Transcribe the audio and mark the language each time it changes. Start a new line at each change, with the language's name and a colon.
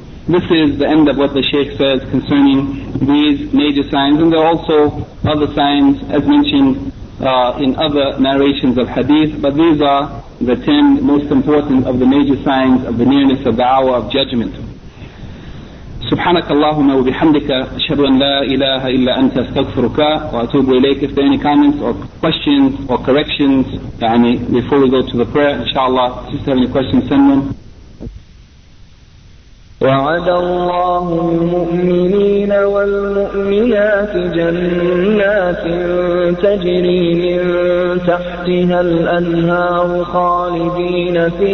English: This is the end of what the Shaykh says concerning these major signs, and there are also other signs as mentioned in other narrations of hadith, but these are the 10 most important of the major signs of the nearness of the hour of judgment.
Arabic: سبحانك اللهم وبحمدك أشهد أن لا إله إلا أنت أستغفرك وأتوب إليك.
English: If there are any comments or questions or corrections, يعني before we go to the prayer, inshallah, if you have any questions, send them.
Arabic: وعد الله المؤمنين والمؤمنات جنات تجري من تحتها الأنهار خالدين فيها